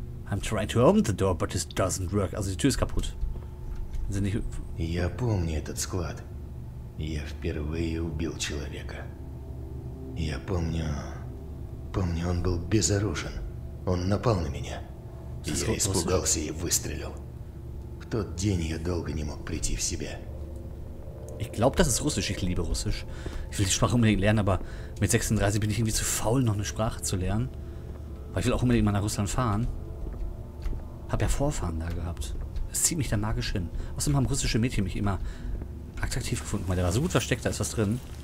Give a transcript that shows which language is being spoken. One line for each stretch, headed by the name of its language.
English: I'm trying to open the door, but it doesn't work.
German: Also die Tür ist kaputt. Sind nicht...
Russian: Я помню этот склад. Я впервые убил человека. Я помню... Помню, он был безоружен. Он напал на меня. Я испугался и выстрелил. В тот день я долго не мог прийти в себя.
German: Ich glaube, das ist Russisch. Ich liebe Russisch. Ich will die Sprache unbedingt lernen, aber mit 36 bin ich irgendwie zu faul, noch eine Sprache zu lernen. Weil ich will auch unbedingt mal nach Russland fahren. Hab ja Vorfahren da gehabt. Es zieht mich da magisch hin. Außerdem haben russische Mädchen mich immer attraktiv gefunden. Weil der war so gut versteckt, da ist was drin.